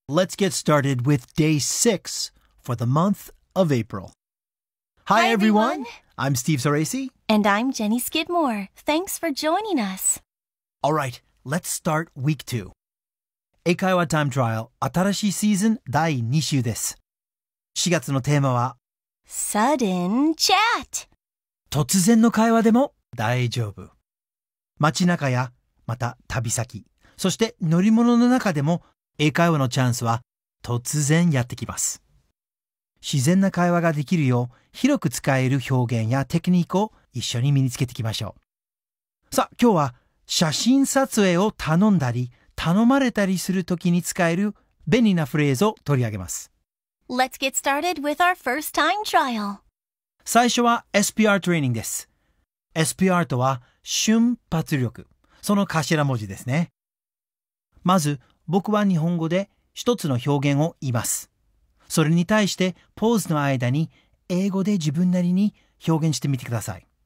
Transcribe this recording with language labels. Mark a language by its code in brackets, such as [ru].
[en] Let's get started with day 6 for the month of April. Hi everyone! I'm Steve Sorese. And I'm Jenny Skidmore. Thanks for joining us. All right, let's start week 2. [ja] 英会話 time trial 新しいシーズン第2週です。 4月のテーマは [en] Sudden chat! [ja] 突然の会話でも大丈夫。街中やまた旅先、そして乗り物の中でも英会話のチャンスは突然やってきます。自然な会話ができるよう広く使える表現やテクニックを一緒に身につけていきましょう。さあ、今日は写真撮影を頼んだり頼まれたりするときに使える便利なフレーズを取り上げます。 [en] Let's get started with our first time trial. [ja] 最初は SPR トレーニングです。SPR とは瞬発力、その頭文字ですね。まず、僕は日本語で一つの表現を言います。それに対してポーズの間に英語で自分なりに表現してみてください。